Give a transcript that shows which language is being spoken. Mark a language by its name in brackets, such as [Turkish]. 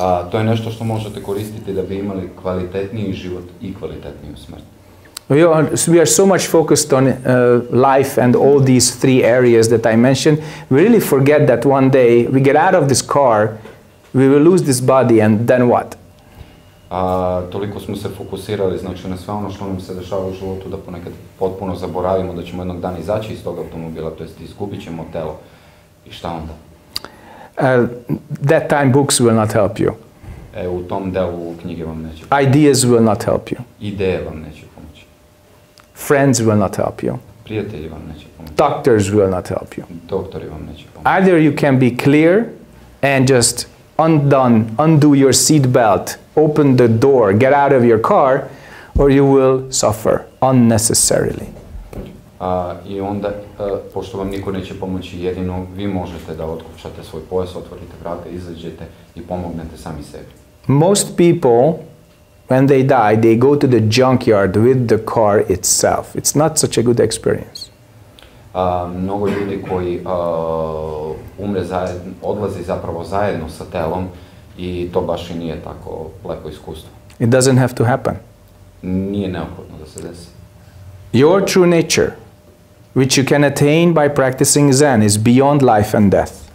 [Serbian] To je nešto što možete koristiti da bi imali kvalitetniji život i kvalitetniju smrt. [English] We are so much focused on life and all these three areas that I mentioned. We really forget that one day we get out of this car, we will lose this body and then what? [Serbian] Toliko smo se fokusirali, znači na sve ono što nam se dešava u životu, da ponekad potpuno zaboravimo da ćemo jednog dana izaći iz tog automobila, to jest izgubit ćemo telo. I šta onda? [English] That time books will not help you. [Serbian] U tom delu knjige vam neće pomoći. [English] Ideas will not help you. [Serbian] Ideje vam neće pomoći. [English] Friends will not help you. [Serbian] Prijatelji vam neće pomoći. [English] Doctors will not help you. [Serbian] Doktori vam neće pomoći. [English] Either you can be clear and just undo your seatbelt, open the door, get out of your car, or you will suffer unnecessarily. [Serbian] I onda, pošto vam niko neće pomoći, jedino vi možete da otkopčate svoj pojas, otvorite vrata, izađete i pomognete sami sebi. [English] Most people, when they die, they go to the junkyard with the car itself. It's not such a good experience. [Serbian] Mnogo ljudi koji umre zajedno, odlazi zapravo zajedno sa telom i to baš i nije tako lepo iskustvo. [English] It doesn't have to happen. [Serbian] Nije neophodno da se desi. [English] Your true nature, which you can attain by practicing Zen, is beyond life and death.